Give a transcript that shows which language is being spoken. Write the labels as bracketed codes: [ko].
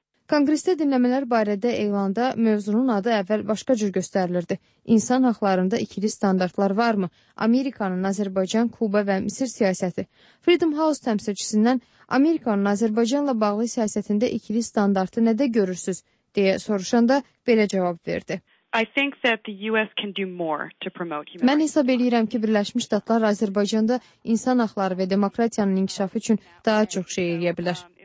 [az] Kongresdə dinləmələr barədə elanda mövzunun adı əvvəl başqa cür göstərilirdi. İnsan haqlarında ikili standartlar varmı? Amerikanın Azərbaycan, Kuba və Misir siyasəti. Freedom House təmsilçisindən Amerikanın Azərbaycanla bağlı siyasətində ikili standartı nədə görürsüz? Deyə soruşanda belə cavab verdi. [en] I think that the US can do more to promote human. [az] Mən hesab edirəm ki, Birləşmiş Ştatlar Azərbaycanda insan haqları və demokratiyanın inkişafı üçün daha çox şey edə bilər.